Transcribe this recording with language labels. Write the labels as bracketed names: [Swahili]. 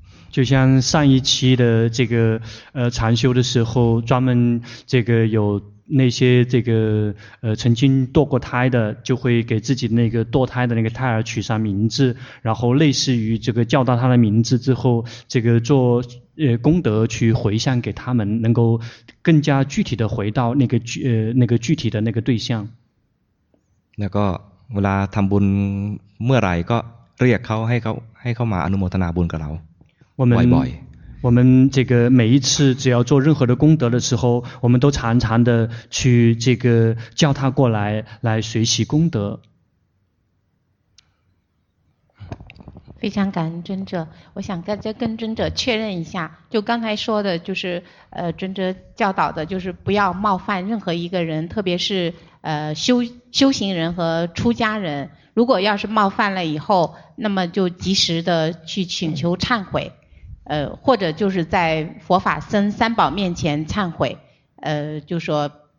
[Chinese] 就像上一期的这个禅修的时候专门这个有那些这个曾经堕过胎的就会给自己那个堕胎的那个胎儿取上名字然后类似于这个叫到他的名字之后这个做功德去回向给他们能够更加具体的回到那个具体的那个对象那个 [Thai] เวลาทำบุญเมื่อไรก็เรียกเขาให้เขามาอนุโมทนาบุญกับเราบ่อย [Chinese] ๆ我们这个每一次只要做任何的功德的时候我们都常常的去这个叫他过来来随喜功德非常感恩尊者我想再跟尊者确认一下就刚才说的就是尊者教导的就是不要冒犯任何一个人特别是修行人和出家人如果要是冒犯了以后那么就及时的去请求忏悔或者就是在佛法僧三宝面前忏悔就说